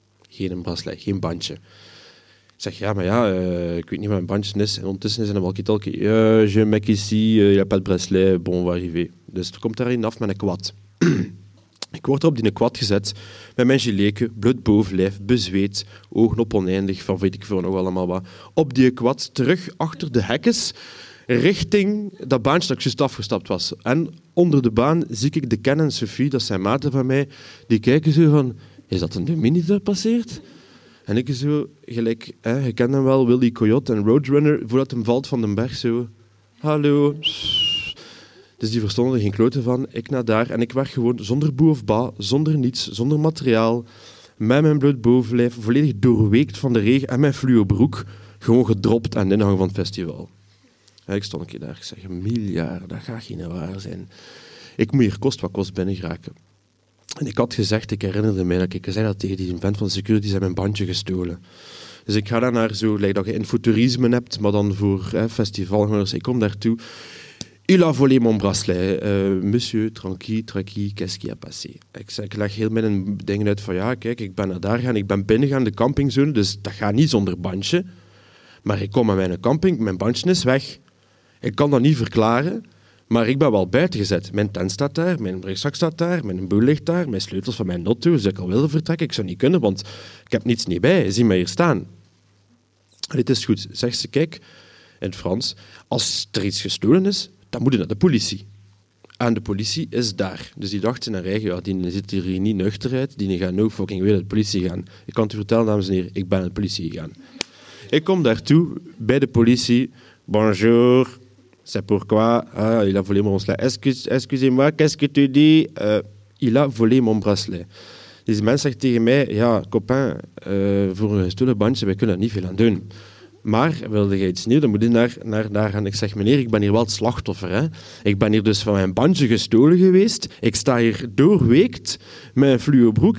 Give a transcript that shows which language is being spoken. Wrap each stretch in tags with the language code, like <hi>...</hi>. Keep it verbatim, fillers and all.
<nl>Geen bracelet, geen bandje. Ik zeg, ja, maar ja, uh, ik weet niet waar mijn bandje is. En ondertussen is er een walkie-talkie.</nl> <fr>Uh, je mec ici, uh, il n'y a pas de bracelet, bon, on va arriver.</fr> <nl>Dus er komt daarin af met een kwad. Ik word er op die kwad gezet, met mijn gileke, bloed bovenlijf, bezweet, ogen op oneindig, van weet ik veel nog allemaal wat. Op die kwad, terug achter de hekjes, richting dat baantje dat ik juist afgestapt was. En onder de baan zie ik de Ken en Sophie, dat zijn maten van mij, die kijken zo van, is dat een mini die daar passeert? En ik zo, gelijk, hè, je kent hem wel, Willy Coyote en Roadrunner, voordat hem valt van den berg, zo, hallo. Dus die verstonden er geen klote van. Ik naar daar en ik werd gewoon zonder boe of ba, zonder niets, zonder materiaal, met mijn bloot bovenlijf, volledig doorweekt van de regen en mijn fluobroek, gewoon gedropt aan de ingang van het festival. En ik stond een keer daar. Ik zeg, miljard, dat gaat geen waar zijn. Ik moet hier kost wat kost binnen geraken. En ik had gezegd, ik herinnerde mij dat ik zei dat tegen die vent van de security, zijn mijn bandje gestolen. Dus ik ga daar naar zo, lijkt dat je infotourisme hebt, maar dan voor hè, festivalgangers. Ik kom daartoe.</nl> <fr>Il a volé mon bracelet. Uh, monsieur, tranquille, tranquille, qu'est-ce qui a passé?</fr> <nl>Ik, zeg, ik leg heel mijn dingen uit van ja, kijk, ik ben naar daar gaan, ik ben binnen gaan, de campingzone, dus dat gaat niet zonder bandje. Maar ik kom aan mijn camping, mijn bandje is weg. Ik kan dat niet verklaren, maar ik ben wel buiten gezet. Mijn tent staat daar, mijn rugzak staat daar, mijn boel ligt daar, mijn sleutels van mijn notto, dus ik al wilde vertrekken, ik zou niet kunnen, want ik heb niets niet bij, zie mij hier staan. Dit is goed, zegt ze, kijk, in het Frans, als er iets gestolen is, dan moet je naar de politie. En de politie is daar. Dus die dacht in haar eigen, ja, die zit hier niet nuchter uit, die gaan no fucking weer naar de politie gaan. Ik kan het u vertellen, dames en heren, ik ben naar de politie gegaan. Ik kom daartoe, bij de politie.</nl> <fr>Bonjour, c'est pourquoi, ah, il a volé mon bracelet. Excuse, excusez-moi, qu'est-ce que tu dis? Uh, il a volé mon bracelet.</fr> <nl>Dus die mens zegt tegen mij, ja, copain, uh, voor een gestolen bandje, wij kunnen daar niet veel aan doen. Maar wilde je iets nieuws, dan moet je naar, naar, daar gaan. Ik zeg, meneer, ik ben hier wel het slachtoffer. Hè? Ik ben hier dus van mijn bandje gestolen geweest. Ik sta hier doorweekt met een fluo broek.</nl>